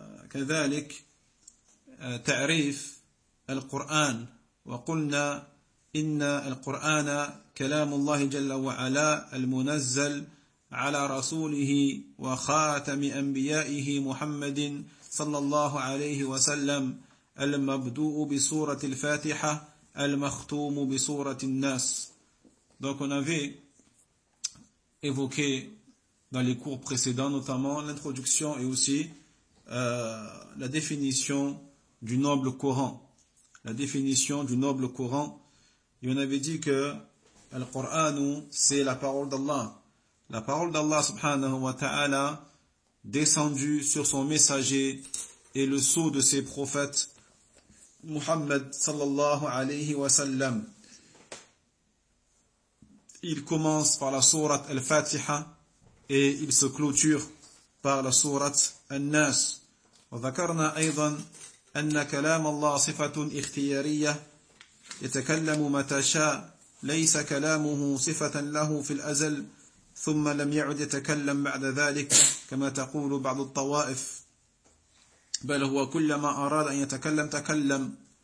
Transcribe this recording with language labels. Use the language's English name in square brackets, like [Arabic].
[Arabic] كذلك تعريف القرآن، وقلنا إن القرآن كلام الله جل وعلا المنزل على رسوله وخاتم أنبيائه محمد صلى الله عليه وسلم، المبدوء بصورة الفاتحة، المختوم بصورة الناس. [French] Donc on avait évoqué dans les cours précédents notamment l'introduction et aussi la définition du noble Coran. La définition du noble Coran. Et on avait dit que le Coran c'est la parole d'Allah. La parole d'Allah subhanahu wa ta'ala descendue sur son messager et le sceau de ses prophètes Muhammad sallallahu alayhi wa sallam. Il commence par la surat al-Fatiha et il se clôture par la surat al-Nas. [Arabic] وذكرنا أيضا أن كلام الله صفة اختيارية يتكلم متى شاء ليس كلامه صفة له في الأزل ثم لم يعد يتكلم بعد ذلك كما تقول بعض الطوائف بل هو كلما أراد أن يتكلم تكلم.